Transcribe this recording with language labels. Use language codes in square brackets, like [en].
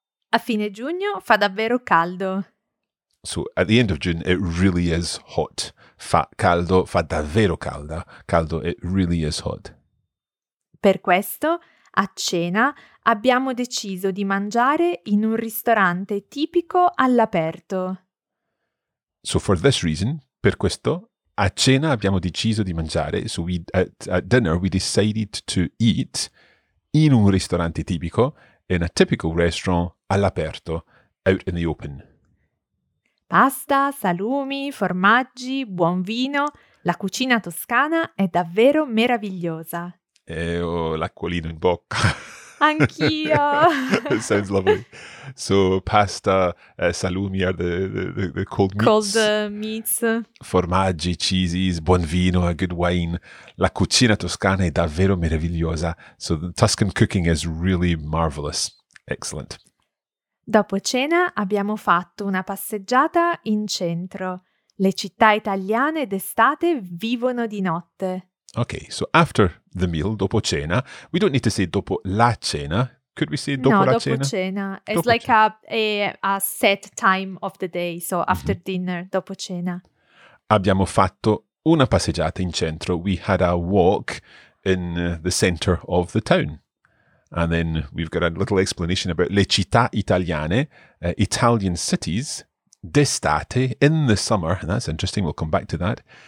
[it] A fine giugno fa davvero caldo. [en] So at the end of June, it really is hot. [it] Fa caldo, fa davvero calda. [en] Caldo, it really is hot. [it] Per questo, a cena, abbiamo deciso di mangiare in un ristorante tipico all'aperto. [en] So for this reason, [it] per questo, a cena abbiamo deciso di mangiare, [en] so we, at dinner we decided to eat [it] in un ristorante tipico, [en] in a typical restaurant [it] all'aperto, [en] out in the open. [it] Pasta, salumi, formaggi, buon vino, La cucina toscana è davvero meravigliosa. E ho l'acquolino in bocca. Anch'io. [en] It sounds lovely. So pasta, salumi are the cold meats. Cold meats. Formaggi, cheeses, [it] buon vino, [en] a good wine. [it] La cucina toscana è davvero meravigliosa. [en] So the Tuscan cooking is really marvelous. Excellent. [it] Dopo cena abbiamo fatto una passeggiata in centro. Le città italiane d'estate vivono di notte. [en] Okay, so after the meal, [it] dopo cena, [en] we don't need to say [it] dopo la cena. [en] Could we say dopo no, [it] la dopo cena? [en] No, [it] dopo cena. [en] It's dopo like cena. A set time of the day, so after mm-hmm. dinner, [it] dopo cena. Abbiamo fatto una passeggiata in centro. [en] We had a walk in the center of the town. And then we've got a little explanation about [it] le città italiane, [en] Italian cities, [it] d'estate, [en] in the summer. And that's interesting, we'll come back to that.